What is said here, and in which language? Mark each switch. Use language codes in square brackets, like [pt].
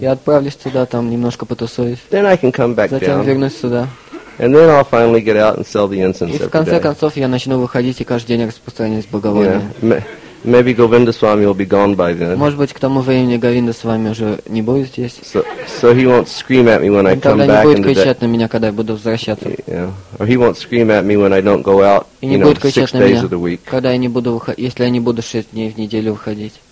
[ru] Я отправлюсь туда, там немножко потусуюсь. [en] Then I can come back [ru] Затем [en] down. [ru] Вернусь сюда. [en] And then I'll finally get out and sell the incense [ru] И в конце концов я начну выходить и каждый день распространять благовония. [en] Yeah. Maybe Govinda Swami will be gone by then. [ru] Может быть, к тому времени Говинда Свами уже не будет здесь. [en] So he won't scream at me when I come back. [ru] Он тогда не будет кричать на меня, когда я буду возвращаться. [en] Yeah. Or he won't scream at me when I don't go out. [ru] И не будет кричать на меня, [en] of the week. [ru] Когда я не буду выходить, если я не буду 6 дней в неделю выходить.